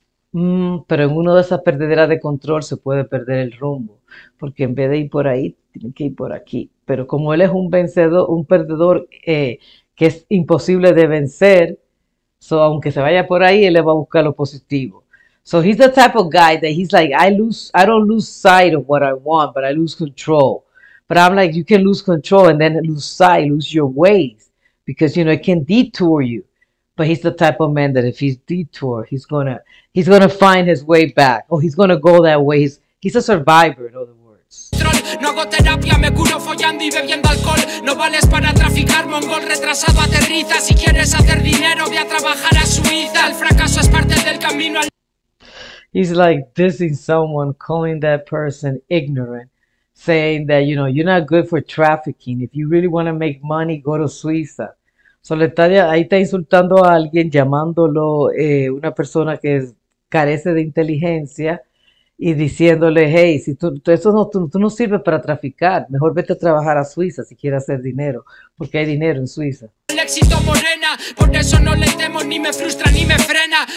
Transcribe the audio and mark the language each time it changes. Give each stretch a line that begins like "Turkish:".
Spanish: Pero en una de esas perdederas de control se puede perder el rumbo, porque en vez de ir por ahí, tiene que ir por aquí. Pero como él es un vencedor, un perdedor que es imposible de vencer, so aunque se vaya por ahí, él le va a buscar lo positivo.
English: So he's the type of guy that he's like, I don't lose sight of what I want, but I lose control. But I'm like, you can lose control and then lose sight, lose your ways, because you know it can detour you. But he's the type of man that if he's detoured, he's gonna find his way back. Oh, he's gonna go that way. He's a survivor, in other words.
Spanish: No hago terapia, me curo follando y bebiendo alcohol. No vales para traficar, mongol retrasado aterriza. Si quieres hacer dinero, voy a trabajar a Suiza. El fracaso es parte del camino al...
English: He's like dissing someone, calling that person ignorant, saying that, you know, you're not good for trafficking. If you really want to make money, go to Suiza.
Spanish: So le está, ahí está insultando a alguien, llamándolo una persona que carece de inteligencia y diciéndole, hey, si tú no sirves para traficar, mejor vete a trabajar a Suiza si quieres hacer dinero, porque hay dinero en Suiza. Éxito morena, por eso no le temo, ni me frustra ni me frena.